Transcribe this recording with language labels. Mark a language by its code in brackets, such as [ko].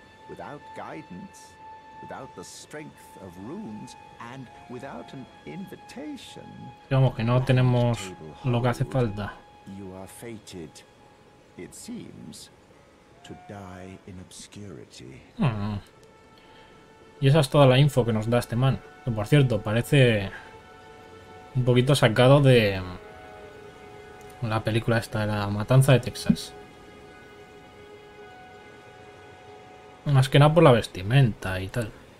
[en] Without guidance, without the strength of runes, and without an invitation. [es] Digamos que no tenemos lo que hace falta. [en] You are fated, it seems, to die in obscurity. [es] Y esa es toda la info que nos da este man. Por cierto, parece un poquito sacado de la película esta, de La Matanza de Texas. Más que nada por la vestimenta y tal.